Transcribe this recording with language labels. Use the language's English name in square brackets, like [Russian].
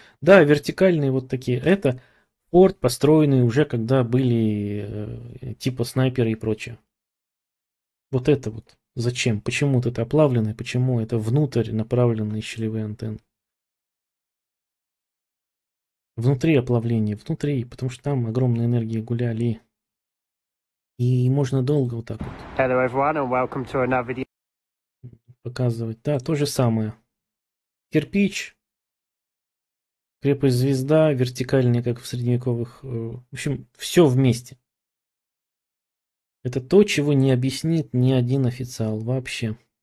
[Russian] Да, вертикальные вот такие. Это форт, построенный уже, когда были типа снайперы и прочее. Вот это вот. Зачем? Почему вот это оплавленное? Почему это внутрь направленные щелевые антенны? Внутри оплавление, внутри, потому что там огромные энергии гуляли. И можно долго вот так вот. [English] Hello everyone, and welcome to another video. [Russian] Показывать. Да, то же самое. Кирпич, крепость звезда, вертикальная, как в средневековых. В общем, все вместе. Это то, чего не объяснит ни один официал вообще.